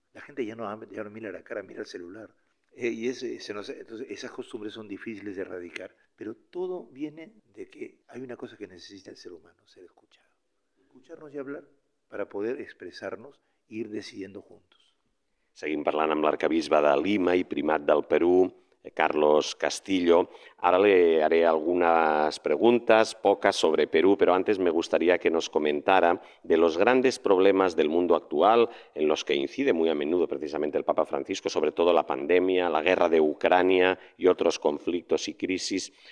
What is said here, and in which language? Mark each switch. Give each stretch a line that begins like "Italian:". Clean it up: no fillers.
Spanish: La gente ya no mira la cara, mira el celular. Y entonces esas costumbres son difíciles de erradicar, pero todo viene de que hay una cosa que necesita el ser humano, ser escuchado. Escucharnos y hablar para poder expresarnos e ir decidiendo juntos.
Catalan: Seguim parlant amb l'arcabisbe de Lima i primat del Perú, Carlos Castillo.
Spanish: Ara le haré algunas preguntas, pocas sobre Perú, pero antes me gustaría que nos comentara de los grandes problemas del mundo actual en los que incide muy a menudo precisamente el Papa Francisco, sobre todo la pandemia, la guerra de Ucrania y otros conflictos y crisis.